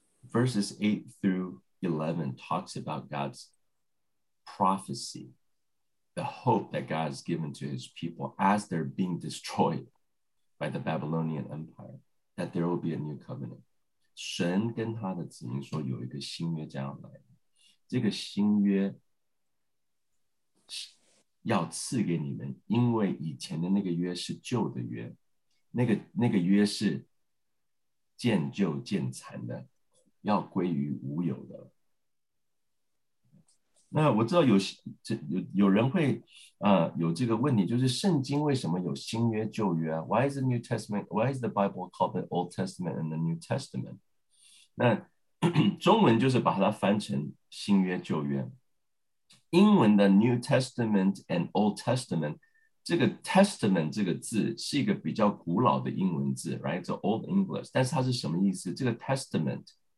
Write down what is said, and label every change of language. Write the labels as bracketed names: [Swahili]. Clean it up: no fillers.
[English] Verses 8 through 11 talks about God's prophecy, the hope that God has given to his people as they're being destroyed by the Babylonian Empire, that there will be a new covenant. [Chinese] 神跟他的子民说有一个新约将要来，这个新约要赐给你们，因为以前的那个约是旧的约，那个约是渐旧渐残的，要归于无有的。那我知道 有人会有这个问题，就是圣经为什么有新约旧约、 [English] Why is the New Testament? Why is the Bible called the Old Testament and the New Testament? [Chinese] 那中文就是把它翻成新约旧约。英文的 [English] New Testament and Old Testament， [Chinese] 这个 Testament 这个字是一个比较古老的英文字， right？ 是 Old English， 但是它是什么意思？这个 Testament